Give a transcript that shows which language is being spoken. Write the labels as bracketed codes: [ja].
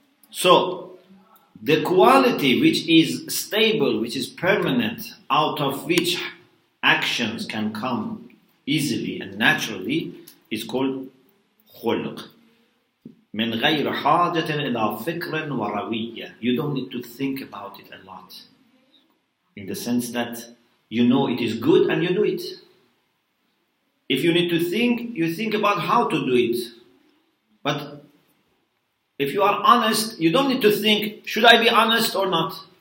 [en] So the quality which is stable, which is permanent, out of which actions can come easily and naturally, is called خلق. [ar] من غير حاجة إلى فكر وروية. [en] You don't need to think about it a lot. In the sense that you know it is good and you do it. If you need to think, you think about how to do it. But if you are honest, you don't need to think, should I be honest or not?